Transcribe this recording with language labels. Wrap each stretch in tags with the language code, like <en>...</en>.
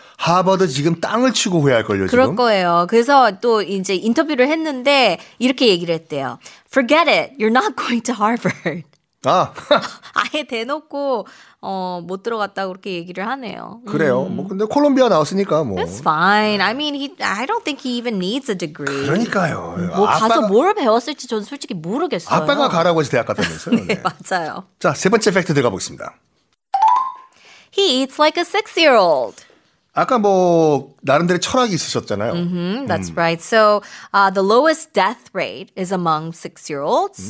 <ko>하버드 지금 땅을 치고 후회할걸요, 지금? 그럴 거예요. 그래서 또 이제 인터뷰를 했는데 이렇게 얘기를 했대요.</ko> <en>Forget it. You're not going to Harvard.</en> <ko>아. 아예 대놓고 못 들어갔다고 그렇게 얘기를 하네요. 그래요. 뭐 근데 콜롬비아 나왔으니까 뭐.</ko> <en>That's fine. I mean, I don't think he even needs a degree.</en> <ko>그러니까요. 뭐 아빠가, 가서 뭘 배웠을지 저는 솔직히 모르겠어요. 아빠가 가라고 해서 대학 갔다면서요. 네, 네, 맞아요. 자, 세 번째 팩트 들어가 보겠습니다.</ko> <en>He eats like a six-year-old.</en> <ko>아까 뭐 나름대로 철학이 있으셨잖아요.</ko> <en>Mm-hmm, that's right. So the lowest death rate is among six-year-olds.</en>